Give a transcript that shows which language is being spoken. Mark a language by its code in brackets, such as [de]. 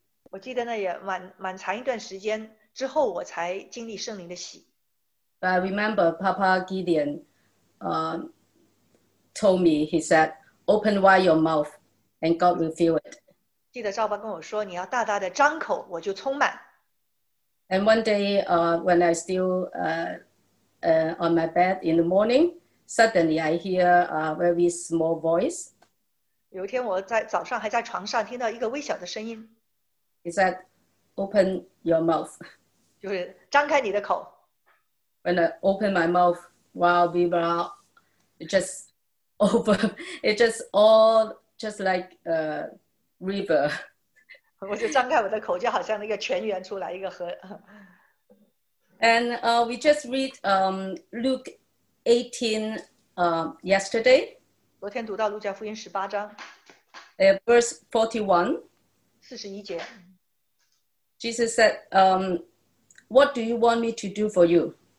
[zh] 我记得那也蛮长一段时间之后，我才经历圣灵的洗。 [en] But I remember Papa Gideon, told me, he said, "Open wide your mouth, and God will fill it." [zh] 记得赵爸跟我说，你要大大的张口，我就充满。 [en] And one day, when I still on my bed in the morning, suddenly I hear a very small voice. [zh] 有一天我在早上还在床上听到一个微小的声音。 [en] He said, "Open your mouth." [zh] 就是张开你的口。 [en] When I open my mouth, while we were out, it just all like a river. [zh] 我就张开我的口，就好像那个泉源出来一个河。 [en] And we just read Luke 18 yesterday. [zh] 昨天读到路加福音十八章。 [en] Verse 41. [zh] 41节。 [en] Jesus said, "What do you want me to do for you?"